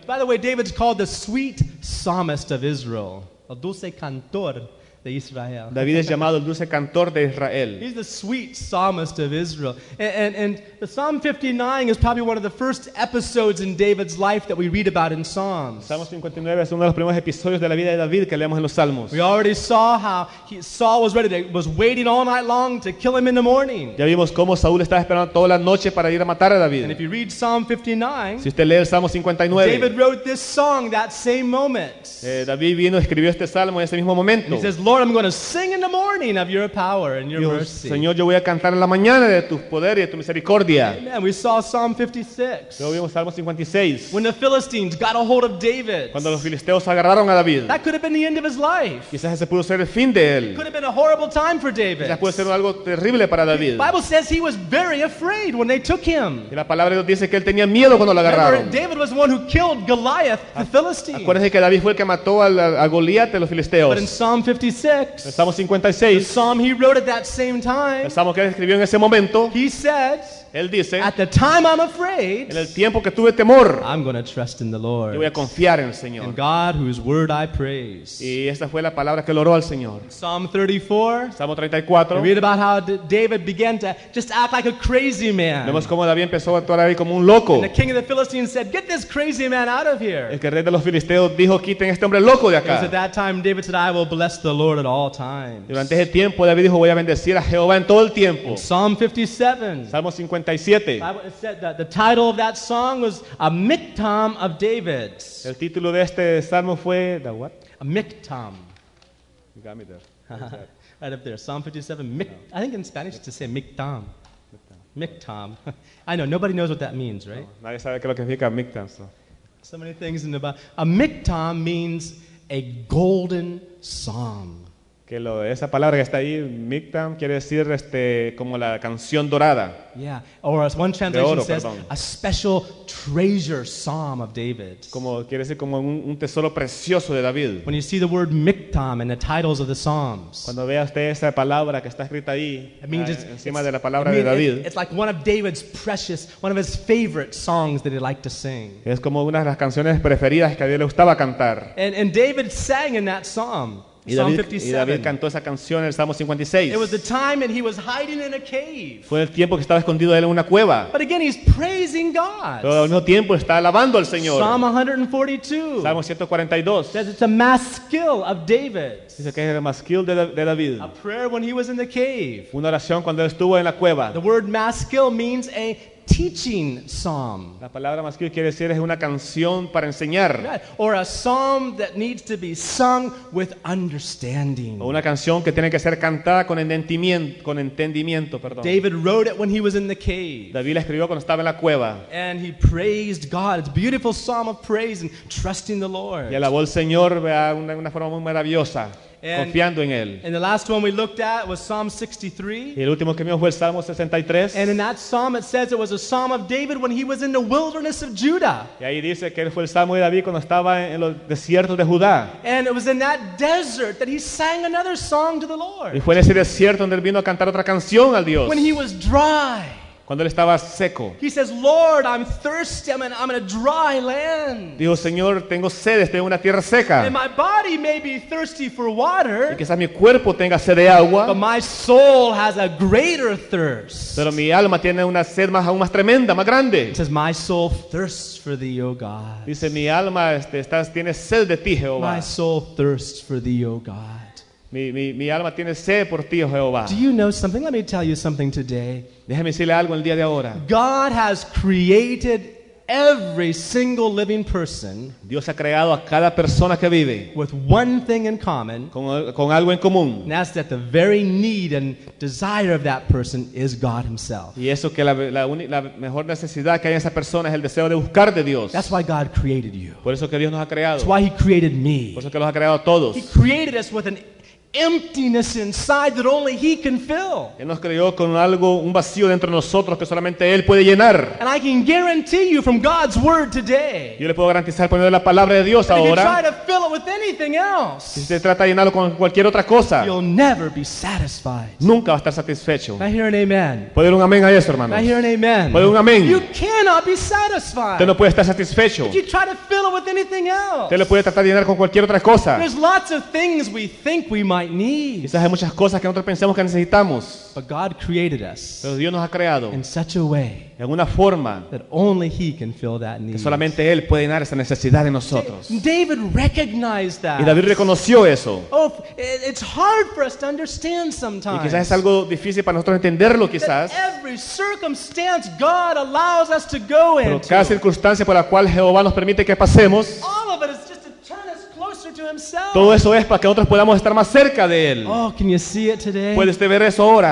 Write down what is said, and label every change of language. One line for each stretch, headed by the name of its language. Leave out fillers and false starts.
English: By the way, David's called the sweet psalmist of Israel.
Spanish: El dulce cantor de Israel. David es llamado el dulce cantor de Israel.
English: He's the sweet psalmist of Israel. And the Psalm 59 is probably one of the first episodes in David's life that we read about in Psalms.
Spanish: Salmo 59 es uno de los primeros episodios de la vida de David que leemos en los Salmos.
English: We already saw how Saul was waiting all night long to kill him in the morning.
Spanish: Ya vimos cómo Saúl estaba esperando toda la noche para ir a matar a David.
English: And if you read Psalm 59,
Spanish: si usted lee el Salmo 59,
English: David wrote this song that same moment.
Spanish: David vino y escribió este salmo en ese mismo momento.
English: And he says, Lord, I'm going to sing in the morning of your power and your
Spanish: Dios,
English: mercy.
Spanish: Señor, yo voy a cantar en la mañana de tu poder y de tu misericordia.
English: Amen. We saw Psalm 56.
Spanish: Luego vimos Salmo 56.
English: When the Philistines got a hold of David.
Spanish: Cuando los filisteos agarraron a David.
English: That could have been the end of his life.
Spanish: Quizás ese pudo ser el fin de él.
English: It could have been a horrible time for David.
Spanish: Quizás puede ser algo terrible para David.
English: The Bible says he was very afraid when they took him.
Spanish: Y la palabra de Dios dice que él tenía miedo cuando lo agarraron.
English: Remember, David was the one who killed Goliath, the Philistine.
Spanish: Acuérdense que David fue el que mató a Goliath de los filisteos.
English: But in Psalm 56. Psalm 56. The psalm he wrote at that same time.
Spanish: El salmo que él escribió en ese momento.
English: He said.
Spanish: Él dice.
English: At the time I'm afraid.
Spanish: En el tiempo que tuve temor.
English: I'm going to trust in the Lord.
Spanish: Yo voy a confiar en el Señor.
English: In God, whose word I praise.
Spanish: Y esta fue la palabra que oró al Señor.
English: Psalm 34.
Spanish: Salmo 34.
English: We read about how David began to just act like a crazy man.
Spanish: Vemos cómo David empezó a actuar ahí como un loco.
English: And the king of the Philistines said, "Get this crazy man out of here."
Spanish: El rey de los filisteos dijo, "Quiten este hombre loco de acá."
English: At that time, David said, "I will bless the Lord at all times."
Spanish: Durante ese tiempo, David dijo, "Voy a bendecir a Jehová en todo el tiempo."
English: In Psalm 57.
Spanish: Salmo 57.
English: I said that the title of that song was a miktam of David.
Spanish: El título de este salmo fue
English: the what? A miktam. You got me there. Right up there, Psalm 57. I think in Spanish it's to say miktam. Miktam. I know nobody knows what that means, right?
Spanish: No, nadie sabe qué lo que significa miktam.
English: So. So many things in the Bible. A miktam means a golden psalm.
Spanish: Que lo esa palabra que está ahí, miktam, quiere decir como la canción dorada.
English: Yeah, or as one translation
Spanish: oro,
English: says,
Spanish: perdón.
English: A special treasure psalm of David.
Spanish: Como quiere decir como un tesoro precioso de David.
English: When you see the word miktam in the titles of the psalms.
Spanish: Cuando vea usted esa palabra que está escrita ahí, encima de la palabra de David.
English: It's like one of David's precious, one of his favorite songs that he liked to sing.
Spanish: Es como una de las canciones preferidas que a David le gustaba cantar.
English: And David sang in that psalm.
Spanish: Y David cantó esa canción en el Salmo 56.
English: It was the time and he was hiding in a cave.
Spanish: Fue el tiempo que estaba escondido él en una cueva.
English: But again, he's praising God.
Spanish: Pero al mismo tiempo está alabando al Señor.
English: Psalm 142.
Spanish: Salmo 142.
English: Says it's a maskil of David.
Spanish: Dice que es el maskil de David.
English: A prayer when he was in the cave.
Spanish: Una oración cuando él estuvo en la cueva.
English: The word maskil means a teaching psalm.
Spanish: La palabra masquil quiere decir es una canción para enseñar.
English: Yeah. Or a psalm that needs to be sung with understanding.
Spanish: O una canción que tiene que ser cantada con entendimiento, perdón.
English: David wrote it when he was in the cave.
Spanish: David la escribió cuando estaba en la cueva.
English: And he praised God. It's a beautiful psalm of praise and trusting the Lord.
Spanish: Y alabó al Señor de una forma muy maravillosa. Confiando en él.
English: And the last one we looked at was Psalm 63.
Spanish: Y el último que vimos fue el Salmo 63.
English: And in that psalm it says it was a psalm of David when he was in the wilderness of Judah.
Spanish: Y ahí dice que fue el Salmo de David cuando estaba en los desiertos de Judá.
English: And it was in that desert that he sang another song to the Lord.
Spanish: Y fue en ese desierto donde él vino a cantar otra canción al Dios.
English: When he was dry.
Spanish: Cuando él estaba seco.
English: He says, Lord, I'm thirsty. I'm in a dry land.
Spanish: Dijo, Señor, tengo sed. Estoy en una tierra seca.
English: And my body may be thirsty for water.
Spanish: Y quizás mi cuerpo tenga sed de agua.
English: But my soul has a greater thirst.
Spanish: Pero mi alma tiene una sed más, aún más tremenda, más grande.
English: He says, my soul thirsts for thee, oh God.
Spanish: Dice, mi alma tiene sed de ti, Jehová.
English: My soul thirsts for thee, oh God.
Spanish: Mi alma tiene sed por ti, oh Jehová.
English: Do you know something? Let me tell you something today.
Spanish: Déjame decirle algo el día de ahora.
English: God has created every single living person.
Spanish: Dios ha creado a cada persona que vive.
English: With one thing in common.
Spanish: Con algo en común.
English: And that's that the very need and desire of that person is God Himself.
Spanish: Y eso que la mejor necesidad que hay en esa persona es el deseo de buscar de Dios.
English: That's why God created you.
Spanish: Por eso que Dios nos ha creado.
English: That's why He created me.
Spanish: Por eso que los ha creado a todos.
English: He created us with an emptiness inside that only He can fill.
Spanish: Él nos creó con algo, un vacío dentro de nosotros que solamente Él puede llenar.
English: And I can guarantee you from God's word today.
Spanish: Yo le puedo garantizar por medio de la palabra de Dios ahora.
English: If you try to fill it with anything else,
Spanish: si se trata de llenarlo con cualquier otra cosa,
English: you'll never be satisfied.
Spanish: Nunca va a estar satisfecho.
English: I hear an amen.
Spanish: ¿Puede un amén a eso, hermanos?
English: I hear an amen.
Spanish: ¿Puede un amén?
English: You cannot be satisfied.
Spanish: Usted no puede estar satisfecho.
English: If you try to fill it with anything else,
Spanish: usted le puede tratar de llenar con cualquier otra cosa.
English: There's lots of things we think we might.
Spanish: Quizás hay muchas cosas que nosotros pensamos que necesitamos.
English: But God created us.
Spanish: Pero Dios nos ha creado.
English: In such a way.
Spanish: En una forma.
English: That only He can fill that need.
Spanish: Que solamente Él puede llenar esa necesidad en nosotros.
English: David recognized that.
Spanish: Y David reconoció eso.
English: Oh, it's hard for us to understand sometimes.
Spanish: Y quizás es algo difícil para nosotros entenderlo quizás.
English: That every circumstance God allows us to go into.
Spanish: Pero cada circunstancia por la cual Jehová nos permite que pasemos.
English: All of it is just to Himself.
Spanish: Todo eso es para que nosotros podamos estar más cerca de Él.
English: Oh, can you see it today?
Spanish: ¿Puede usted ver eso ahora?